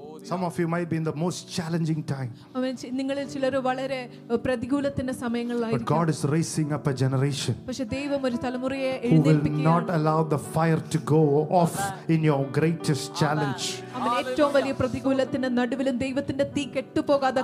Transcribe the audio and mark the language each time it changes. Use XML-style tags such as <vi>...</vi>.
<en>Some of you might be in the most challenging time.</en> <ml>നിങ്ങളിൽ ചിലർ വളരെ പ്രതികൂലത്തിന്റെ സമയങ്ങളിലായിരിക്കും.</ml> <en>But God is raising up a generation.</en> <ml>പക്ഷേ ദൈവം ഒരു തലമുറയെ എഴുന്നേൽപ്പിക്കുകയാണ്.</ml> <en>Who will not allow the fire to go off in your greatest challenge.</en> <ml>ഏറ്റവും വലിയ പ്രതികൂലത്തിന്റെ നടുവിലും ദൈവത്തിന്റെ തീ കെട്ടുപോകാതെ</ml>